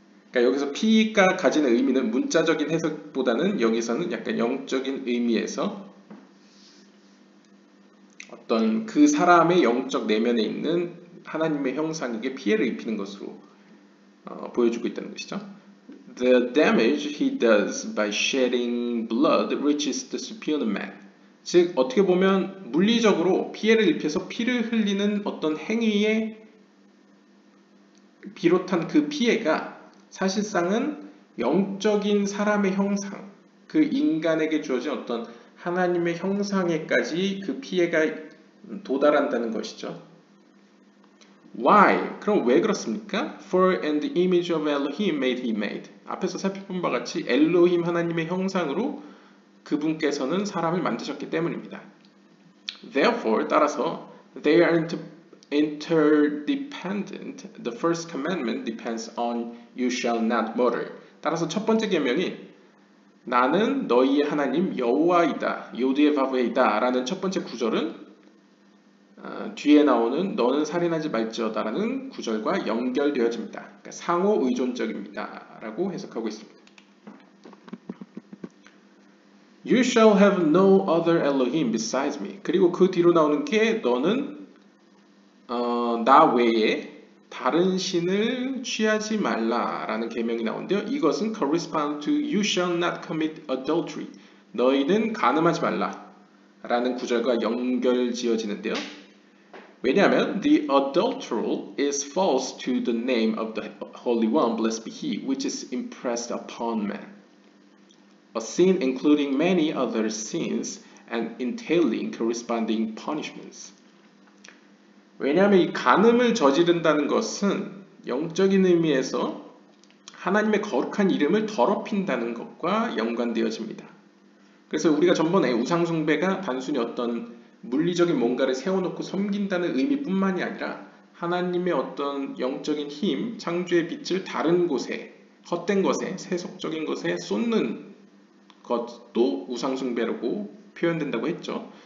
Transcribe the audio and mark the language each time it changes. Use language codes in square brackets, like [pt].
[ko] 그러니까 여기서 피가 가지는 의미는 문자적인 해석보다는 여기서는 약간 영적인 의미에서 어떤 그 사람의 영적 내면에 있는 하나님의 형상에게 피해를 입히는 것으로 보여주고 있다는 것이죠. [en] The damage he does by shedding blood reaches the superior man. [ko] 즉 어떻게 보면 물리적으로 피해를 입혀서 피를 흘리는 어떤 행위에 비롯한 그 피해가 사실상은 영적인 사람의 형상, 그 인간에게 주어진 어떤 하나님의 형상에까지 그 피해가 도달한다는 것이죠. [en] Why? [ko] 그럼 왜 그렇습니까? [en] For in the image of Elohim made he made. [ko] 앞에서 살펴본 바 같이 엘로힘 하나님의 형상으로 그분께서는 사람을 만드셨기 때문입니다. [en] Therefore, [ko] 따라서 [en] they are into interdependent. The first commandment depends on you shall not murder. [ko] 따라서 첫 번째 계명이 나는 너희의 하나님 여호와이다, 요드에바브에이다 라는 첫 번째 구절은 뒤에 나오는 너는 살인하지 말지어다 라는 구절과 연결되어집니다. 그러니까 상호 의존적입니다 라고 해석하고 있습니다. [en] You shall have no other Elohim besides me. [ko] 그리고 그 뒤로 나오는 게 너는 나 외에 다른 신을 취하지 말라라는 계명이 나온대요. 이것은 [en] correspond to you shall not commit adultery. [ko] 너희는 간음하지 말라라는 구절과 연결 지어지는데요. 왜냐하면 [en] the adulterer is false to the name of the Holy One, blessed be He, which is impressed upon man. A sin including many other sins and entailing corresponding punishments. [ko] 왜냐하면 이 간음을 저지른다는 것은 영적인 의미에서 하나님의 거룩한 이름을 더럽힌다는 것과 연관되어집니다. 그래서 우리가 전번에 우상숭배가 단순히 어떤 물리적인 뭔가를 세워놓고 섬긴다는 의미뿐만이 아니라 하나님의 어떤 영적인 힘, 창조의 빛을 다른 곳에, 헛된 것에, 세속적인 것에 쏟는 것도 우상숭배라고 표현된다고 했죠.